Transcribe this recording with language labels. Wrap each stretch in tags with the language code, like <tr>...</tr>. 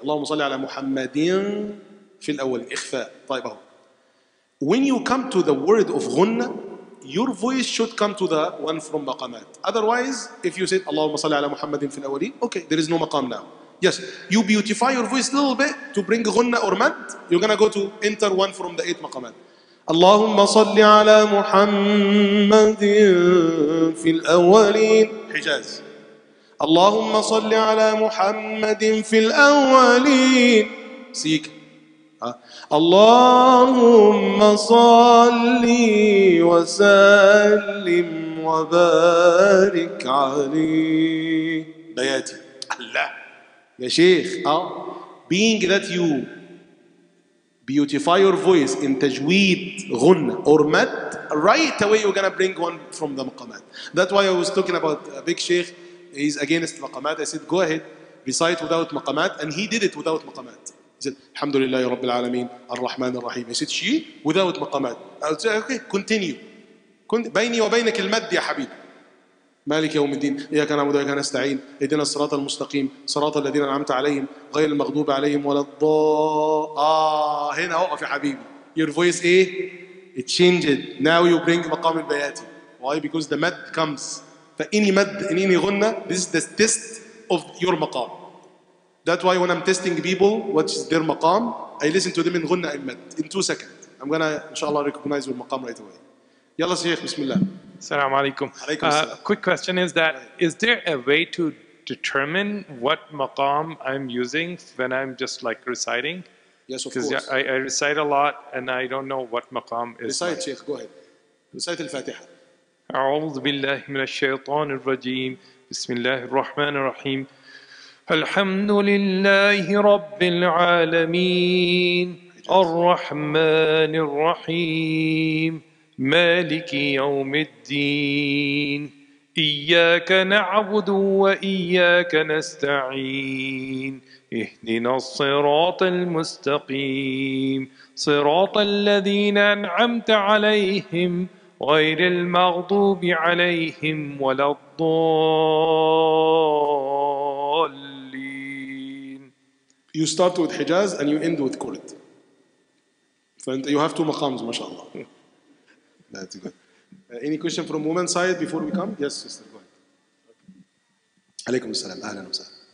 <ar>اللهم صل على محمد في الأول. إخفاء. طيب أهو.</ar> <en>When you come to the word of غنة, your voice should come to the one from مقامات. Otherwise, if you said</en> <ar>اللهم صل على محمد في الأول,</ar> <en>okay, there is no مقام now. Yes, you beautify your voice a little bit to bring غنة or مد. You're gonna go to enter one from the 8 مقامات.</en> <ar>اللهم صل على محمد في الأول. حجاز. اللهم صل على محمد في الأولين. سيك. اللهم صل وسلم وبارك عليه. بياتي. الله. يا شيخ.</ar> <en>Being that you beautify your voice in تجويد غنة or مد, right away you're gonna bring one from the مقامات. That's why I was talking about a big sheikh. He's against maqamat. I said, go ahead. recite without maqamat, and he did it without maqamat. He said,</en> <ar>الحمد لله رب العالمين الرحمن الرحيم.</ar> <en>He said, she without maqamat. I would say, okay, continue.</en> <ar>بيني وبينك المد يا حبيب. مالك يوم الدين إياك نعبد وإياك نستعين اهدنا الصراط المستقيم صراط الذين أنعمت عليهم غير المغضوب عليهم ولا الضالين. هنا أوقف يا حبيبي.</ar> <en>Your voice</en> <ar>إيه؟</ar> <en>It changed. Now you bring مقام البياتي. Why? Because the mad comes.</en> <ar>فإني مد إني غنة.</ar> <en>This is the test of your مقام. That's why when I'm testing people what is their مقام, I listen to them in غنة and مد. In 2 seconds. I'm gonna inshallah recognize your مقام right away.</en> <ar>يلا شيخ بسم الله. السلام عليكم.</ar> <en>Quick question is that, is there a way to determine what maqam I'm using when I'm just like reciting? Yes, of course. Because I recite a lot and I don't know what maqam is. Recite, Sheikh, go ahead. Recite al-Fatiha.</en> <ar>أعوذ بالله من الشيطان الرجيم. بسم الله الرحمن الرحيم. الحمد لله رب العالمين. الرحمن الرحيم. مالك يوم الدين إياك نعبد وإياك نستعين اهدنا الصراط المستقيم صراط الذين أنعمت عليهم غير المغضوب عليهم ولا الضالين.</ar> <en>You start with Hijaz and you end with Kurd. You have two maqams, mashallah. That's good. Any question from woman side before we come? Yes, sister, go ahead. Okay. Alaykum as-salam. Ahlan wa sahlan.</en>